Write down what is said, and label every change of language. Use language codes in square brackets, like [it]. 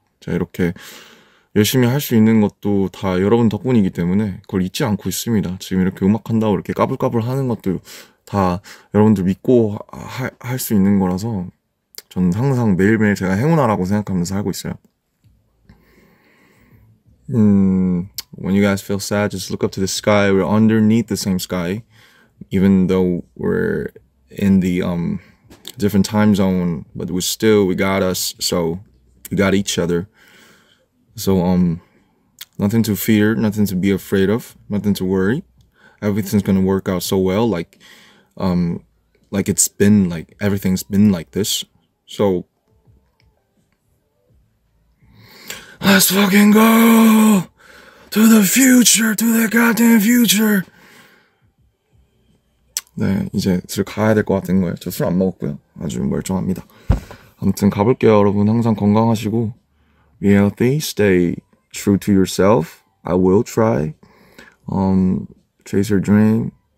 [ko] 제가 이렇게 열심히 할수 있는 것도 다 여러분 덕분이기 때문에 그걸 잊지 않고 있습니다. 지금 이렇게 음악 한다고 이렇게 까불까불 하는 것도 다 여러분들 믿고 할수 있는 거라서 저는 항상 매일매일 제가 행운아라고 생각하면서 살고 있어요. [en] When you guys feel sad, just look up to the sky. We're underneath the same sky. Even though we're in the, different time zone, but we still, we got us, so we got each other. So, nothing to fear, nothing to be afraid of, nothing to worry. Everything's gonna work out so well, like it's been like everything's been like this. So, let's fucking go to the future, to the goddamn future. [ko] 네, 이제 슬 가야 될것 같은 거예요. 저술안 먹었고요. 아주 멀쩡합니다. 아무튼 가볼게요, 여러분. 항상 건강하시고. [en] Be healthy, stay true to yourself. I will try. Chase your dream.